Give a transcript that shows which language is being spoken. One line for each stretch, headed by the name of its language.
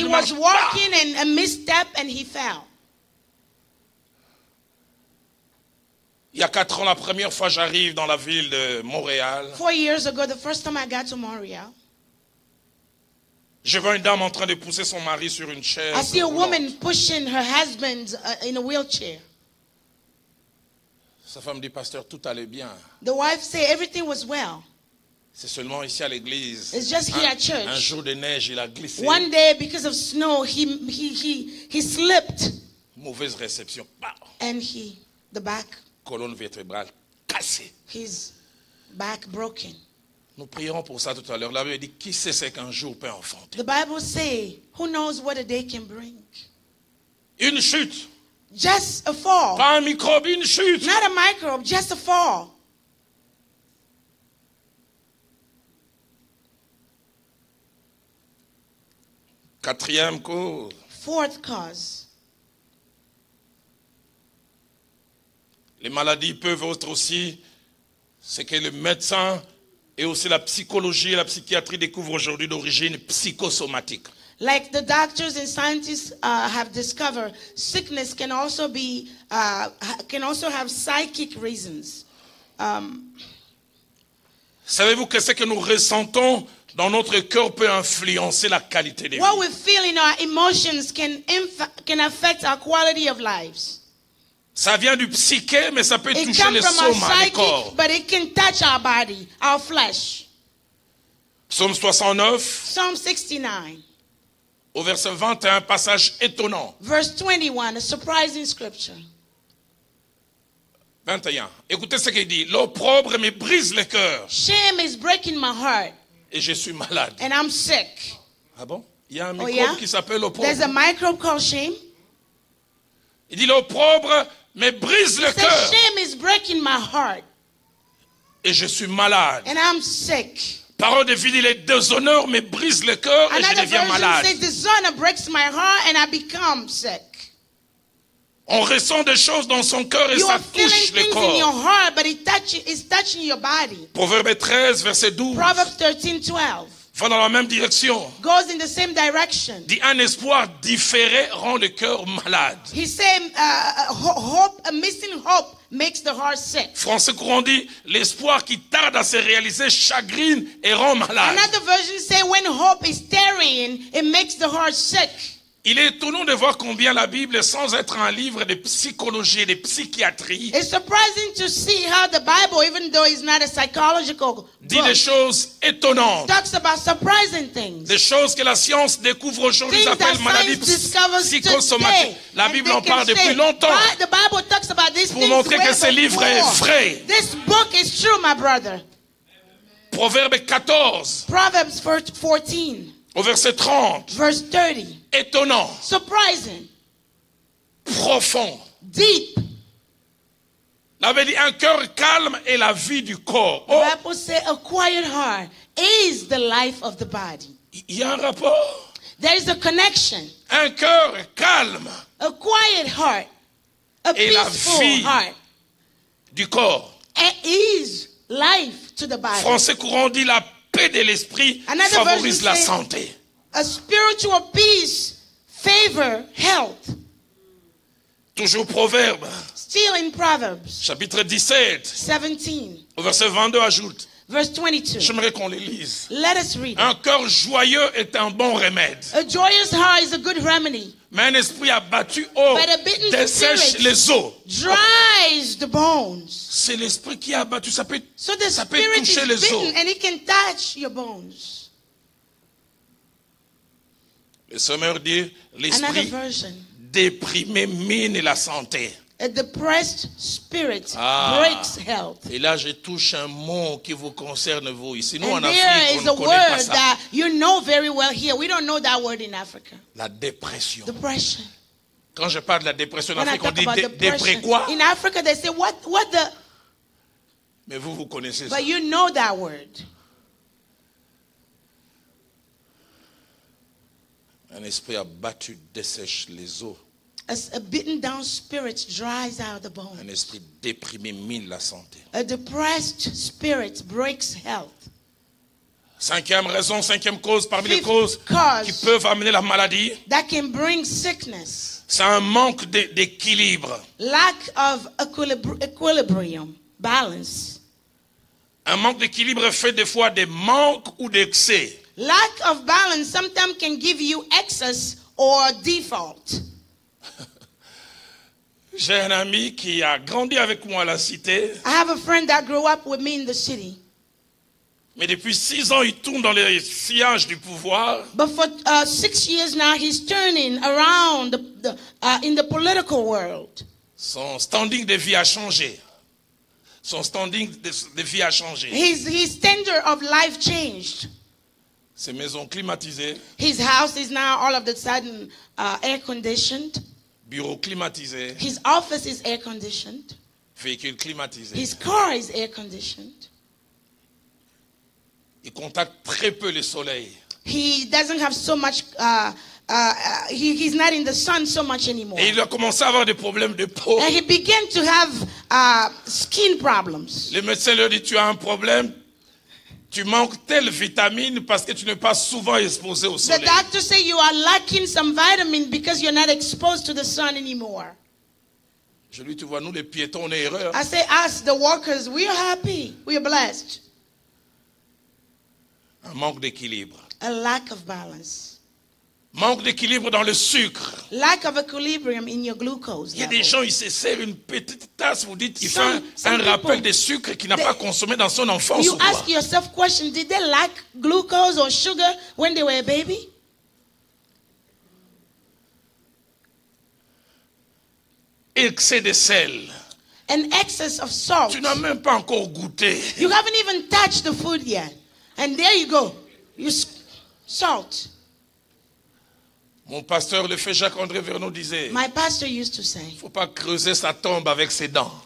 French: le marche.
English: He was walking and a misstep and he fell.
French: Il y a 4 ans, la première fois, j'arrive dans la ville de Montréal.
English: 4 years ago, the first time I got to Montreal.
French: Je vois une dame en train de pousser son mari sur une chaise.
English: I see a woman pushing her husband in a wheelchair.
French: Sa femme dit, pasteur, tout allait bien.
English: The wife said everything was well.
French: C'est seulement ici à l'église.
English: It's just here at church.
French: Un jour de neige, il a glissé.
English: One day, because of snow, he slipped.
French: Mauvaise réception.
English: And he, the back.
French: Colonne vertébrale cassée.
English: His back broken.
French: Nous prierons pour ça tout à l'heure. La Bible dit, qui sait ce qu'un jour peut enfanter?
English: The Bible says, who knows what a day can bring?
French: Une chute.
English: Just a fall.
French: Pas un microbe, une chute.
English: Not a microbe, just a fall.
French: Quatrième cause.
English: Fourth cause.
French: Les maladies peuvent être aussi ce que le médecin et aussi la psychologie et la psychiatrie découvrent aujourd'hui d'origine psychosomatique.
English: Like the doctors and scientists have discovered, sickness can also be can also have psychic reasons.
French: Savez-vous que ce que nous ressentons dans notre cœur peut influencer la qualité de vie?
English: What we feel in our emotions can affect our quality of lives.
French: Ça vient du psyché, mais ça peut toucher le soma, le corps.
English: But it can touch our body, our flesh.
French: Psaume 69.
English: Psalm 69.
French: Au verset 21, passage étonnant.
English: Verse 21, a surprising scripture.
French: 21. Écoutez ce qu'il dit. L'opprobre me brise le cœur.
English: Shame is breaking my heart.
French: Et je suis malade.
English: And I'm sick.
French: Ah bon? Il y a un microbe qui s'appelle l'opprobre.
English: There's a microbe called shame.
French: Il dit l'opprobre mais brise le cœur.
English: Shame is breaking my heart.
French: Et je suis malade.
English: And I'm sick.
French: Parole de vie dit les déshonneurs me brisent le cœur et je deviens malade.
English: Another version says dishonor breaks my heart and I become sick.
French: On ressent des choses dans son cœur et ça touche le corps.
English: You are feeling things in your heart, but it's touching your body.
French: Proverbe 13 verset 12.
English: Proverbs 13, 12.
French: Va dans la même direction.
English: Goes in the same direction.
French: Dit un espoir différé rend le cœur malade.
English: He said, hope, a missing hope makes the heart sick.
French: Français courant dit l'espoir qui tarde à se réaliser chagrine et rend malade.
English: Another version says when hope is tarrying, it makes the heart sick.
French: Il est étonnant de voir combien la Bible, sans être un livre de psychologie et de psychiatrie,
English: it's surprising to see how the Bible, even though it's not a psychological book,
French: dit des choses étonnantes.
English: Talks about surprising things.
French: Des choses que la science découvre aujourd'hui,
English: things
French: appelle maladie psychosomatique. La Bible en parle depuis longtemps.
English: The Bible talks about these
French: pour montrer que ce livre
English: before.
French: Est vrai.
English: This book is true, my brother.
French: Proverbe 14.
English: Proverbs 14.
French: Au verset 30.
English: Verse 30.
French: Étonnant.
English: Surprising.
French: Profond.
English: Deep.
French: La Bible dit un cœur calme est la vie du corps. Oh.
English: The Bible says a quiet heart is the life of the body.
French: Il y a un rapport.
English: There is a connection.
French: Un cœur calme.
English: A quiet heart. A peaceful
French: la vie
English: heart.
French: Du corps.
English: It is life to the body.
French: Français courant dit la paix de l'esprit favorise la santé.
English: A spiritual peace favor health.
French: Toujours Proverbe.
English: Still in Proverbs.
French: Chapitre 17.
English: 17.
French: Au verset 22 ajoute.
English: Verse 22.
French: J'aimerais qu'on les lise.
English: Let us read.
French: Un cœur joyeux est un bon remède.
English: A joyous heart is a good remedy.
French: Mais un esprit abattu, oh, dessèche les os.
English: Dries the bones.
French: C'est l'esprit qui a abattu, ça peut,
English: so the
French: ça peut toucher les os.
English: And it can touch your bones.
French: Le sommeur dit, l'esprit déprimé mine la santé.
English: A depressed spirit breaks health.
French: Et là, je touche un mot qui vous concerne vous ici. Nous,
English: and
French: en Afrique, on ne connaît pas ça.
English: And a word that you know very well here. We don't know that word in Africa.
French: La dépression.
English: Depression.
French: Quand je parle de la dépression
English: when
French: en Afrique, on dit déprès quoi?
English: In Africa, they say, what the...
French: Mais vous connaissez
English: but
French: ça.
English: But you know that word.
French: Un esprit abattu dessèche les os.
English: As a beaten down spirit dries out the bones.
French: Un esprit déprimé mine la santé.
English: A depressed spirit breaks health.
French: Cinquième raison, cinquième cause parmi
English: fifth
French: les causes
English: cause
French: qui peuvent amener la maladie.
English: That can bring sickness.
French: C'est un manque d'équilibre.
English: Lack of equilibrium, balance.
French: Un manque d'équilibre fait des fois des manques ou des excès.
English: Lack of balance sometimes can give you excess or default.
French: J'ai un ami qui a grandi avec moi à la cité.
English: I have a friend that grew up with me in the city.
French: Mais depuis 6 ans, il tourne dans les sillages du pouvoir.
English: But for 6 years now, he's turning around in the political world.
French: Son standing de vie a changé. Son standing de vie a changé.
English: His standard of life changed.
French: Ses maisons climatisées.
English: His house is now all of a sudden air conditioned.
French: Bureau climatisé.
English: His office is air conditioned.
French: Véhicule climatisé.
English: His car is air conditioned.
French: Il contacte très peu le soleil.
English: He doesn't have so much. He's not in the sun so much anymore.
French: Et il a commencé à avoir des problèmes de peau.
English: And he began to have skin problems.
French: Le médecin lui dit, tu as un problème. Tu manques telle vitamine parce que tu n'es pas souvent exposé au soleil.
English: The doctor say you are lacking some vitamin because you're not exposed to the sun anymore.
French: Je lui dis, tu vois, nous les piétons, on est erreur.
English: I say us, the walkers, we are happy, we are blessed.
French: Un manque d'équilibre.
English: A lack of balance.
French: Manque d'équilibre dans le sucre.
English: Lack of equilibrium in your glucose.
French: Il y a des gens, ils se servent une petite tasse, vous dites, ils font un rappel de sucre qu'ils n'ont pas consommé dans son enfance.
English: You ask yourself question, did they lack glucose or sugar when they were a baby?
French: Excès de sel.
English: An excess of salt.
French: Tu n'as même pas encore goûté.
English: You haven't even touched the food yet. And there you go. You salt.
French: Mon pasteur, le fait Jacques-André Vernon, disait,
English: my pastor used to say,
French: faut pas creuser sa tombe avec ses dents.